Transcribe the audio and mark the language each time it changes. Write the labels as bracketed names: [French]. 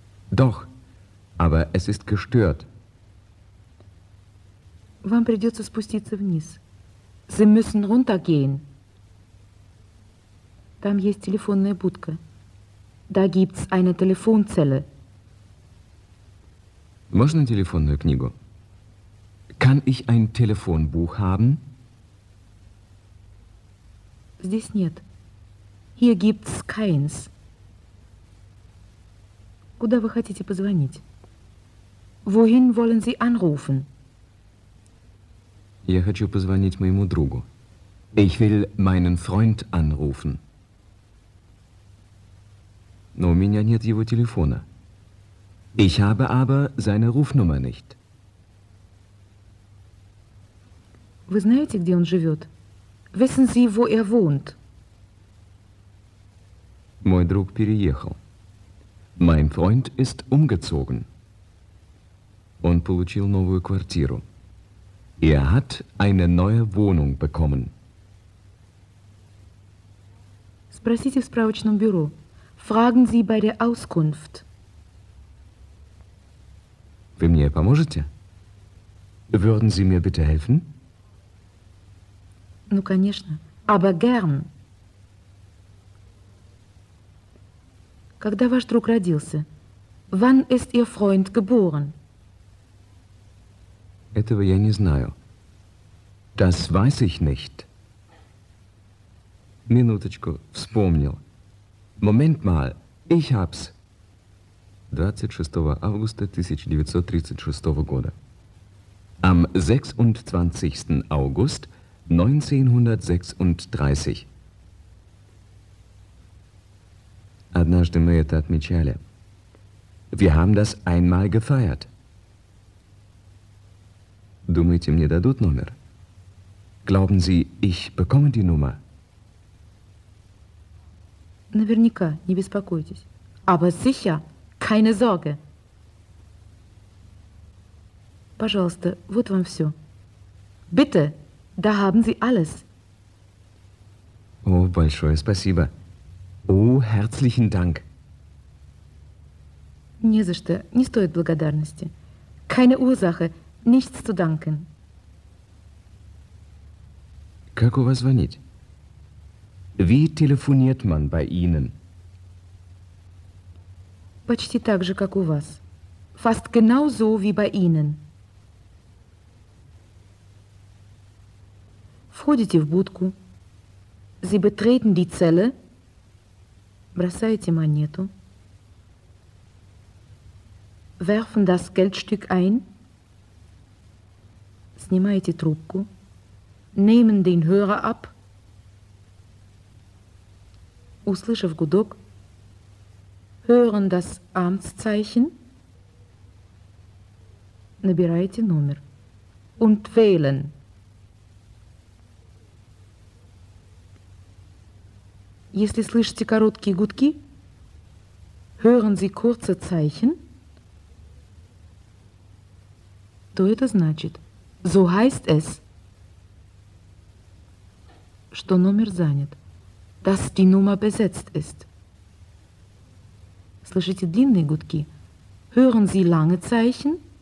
[German] Doch, aber es ist gestört. [Russian] Вам придется спуститься вниз. [German] Sie müssen runtergehen. [Russian] Там есть телефонная будка. [German] Da gibt's eine Telefonzelle. [Russian] Можно телефонную книгу? [German] Kann ich ein Telefonbuch haben? [Russian] Здесь нет. [German] Hier gibt's keins. [Russian] Куда вы хотите позвонить? [German] Wohin wollen Sie anrufen? [Russian] Я хочу позвонить моему другу. [German] Ich will meinen Freund anrufen. [Russian] Но у меня нет его телефона. [German] Ich habe aber seine Rufnummer nicht. [Russian] Вы знаете, где он живет? [German] Wissen Sie, wo wohnt? [Russian] Мой друг переехал. [German] Mein Freund ist umgezogen. [Russian] Он получил новую квартиру. [German] Hat eine neue Wohnung bekommen. [Russian] Спросите в справочном бюро. [German] Fragen Sie bei der Auskunft. [Russian] Вы мне поможете? [German] Würden Sie mir bitte helfen? [Russian] Ну, конечно. [German] Aber gern. [Russian] Когда ваш друг родился? [German] Wann ist Ihr Freund geboren? [Russian] Этого я не знаю. [German] Das weiß ich nicht. [Russian] Минуточку, вспомнил. [German] Moment mal, ich hab's. [Russian] 26. Августа 1936 года. [German] Am 26. August 1936. [Russian] Однажды мы это отмечали. [German] Wir haben das einmal gefeiert. [Russian] Думаете, мне дадут номер? [German] Glauben Sie, ich bekomme die Nummer? [Russian] Наверняка, не беспокойтесь. [German] Aber sicher, keine Sorge. [Russian] Пожалуйста, вот вам все. [German] Bitte, da haben Sie alles. [Russian] О, большое спасибо. О, [German] herzlichen Dank. [Russian] Не за что, не стоит благодарности. [German] Keine Ursache, nichts zu danken. [Russian] Как у вас звонить? [German] Wie telefoniert man bei Ihnen? [Russian] Почти так же, как у вас. [German] Fast genauso wie bei Ihnen. [Russian] Входите в будку. [German] Sie betreten die Zelle. [Russian] Бросаете монету. [German] Werfen das Geldstück ein. [Russian] Снимаете трубку. [German] Nehmen den Hörer ab. [Russian] Услышав гудок, [German] hören das Amtszeichen, [Russian] набираете номер [German] und wählen. [Russian] Если слышите короткие гудки, [German] hören Sie kurze Zeichen, [Russian] то это значит, [German] so heißt es, [Russian] что номер занят. [German] Dass die Nummer besetzt ist. [Russian] Слышите длинные гудки? [German] Hören Sie lange Zeichen?